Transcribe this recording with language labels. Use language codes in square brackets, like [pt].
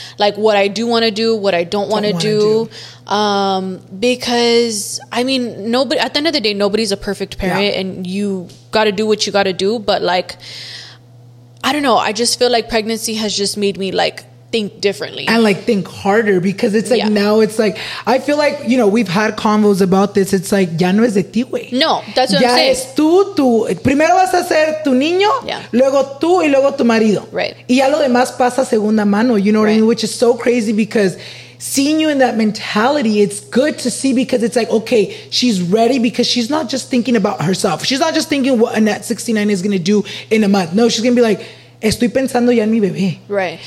[en] Like, what I do want to do, what I don't want to do. Because I mean, nobody, at the end of the day, nobody's a perfect parent, and you got to do what you got to do. But like, I don't know, I just feel like pregnancy has just made me like think differently and like think harder, because it's like, now it's like, I feel like, you know, we've had convos about this. [es] It's like, ya no es de ti, güey. [en] No, that's what [es] ya [en] I'm saying. [es] Ya es tú, tú. Primero vas a ser tu niño, luego tú, y luego tu marido. [en] Right. [es] Y ya lo demás pasa segunda mano, [en] you know what I mean? Which is so crazy, because seeing you in that mentality, it's good to see, because it's like, okay, she's ready, because she's not just thinking about herself. She's not just thinking what Annette69 is going to do in a month. No, she's going to be like, [es] estoy pensando ya en mi bebé. [en] Right.